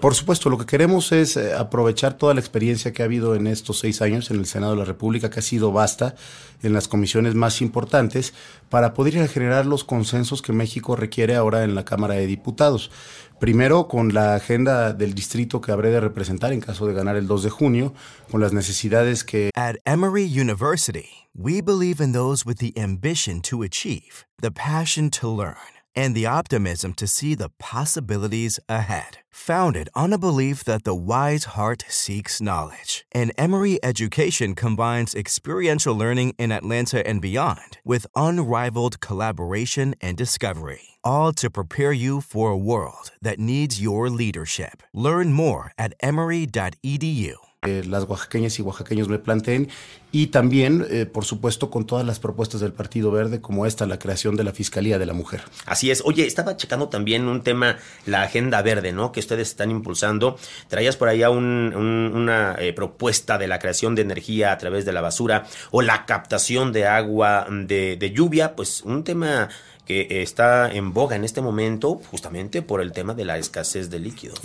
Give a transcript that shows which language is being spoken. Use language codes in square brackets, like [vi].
[es] Por supuesto, lo que queremos es aprovechar toda la experiencia que ha habido en estos 6 años en el Senado de la República, que ha sido vasta en las comisiones más importantes, para poder ir a generar los consensos que México requiere ahora en la Cámara de Diputados. Primero, con la agenda del distrito que habré de representar en caso de ganar el 2 de junio, con las necesidades que... [en] At Emory University, we believe in those with the ambition to achieve, the passion to learn, and the optimism to see the possibilities ahead. Founded on a belief that the wise heart seeks knowledge, an Emory education combines experiential learning in Atlanta and beyond with unrivaled collaboration and discovery, all to prepare you for a world that needs your leadership. Learn more at emory.edu. [es] Las oaxaqueñas y oaxaqueños me planteen, y también, por supuesto, con todas las propuestas del Partido Verde, como esta, la creación de la Fiscalía de la Mujer. Así es. Oye, estaba checando también un tema, la Agenda Verde, ¿no?, que ustedes están impulsando. Traías por allá una propuesta de la creación de energía a través de la basura o la captación de agua de lluvia, pues un tema que está en boga en este momento justamente por el tema de la escasez de líquido.